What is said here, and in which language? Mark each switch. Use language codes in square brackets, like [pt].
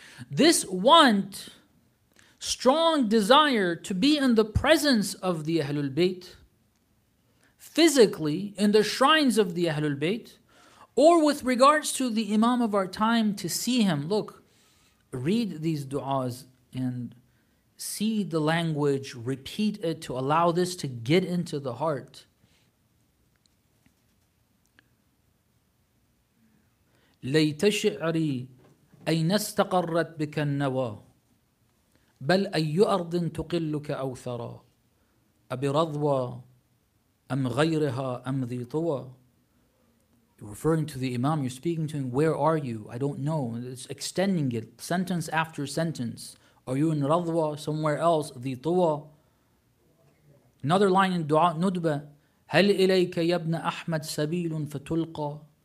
[en] This want, strong desire to be in the presence of the Ahlul Bayt, physically, in the shrines of the Ahlul Bayt, or with regards to the Imam of our time, to see him, look, read these du'as and see the language, repeat it to allow this to get into the heart. [ar] لَيْتَ شِعْرِي أَيْنَ اسْتَقَرَّتْ بِكَ النَّوَى بَلْ أَيُّ أَرْضٍ تُقِلُّكَ أَوْثَرَى أَبِرَضْوَى أَمْ غَيْرِهَا أَمْ ذِي طُوَى. [en] You're referring to the Imam, you're speaking to him, where are you? I don't know. It's extending it, sentence after sentence. Are you in Radwa, somewhere else? The Tuwa. Another line in Dua, Nudba. [ar] هَلْ إِلَيْكَ يَبْنَ أَحْمَدْ سَبِيلٌ فَتُلْقَى.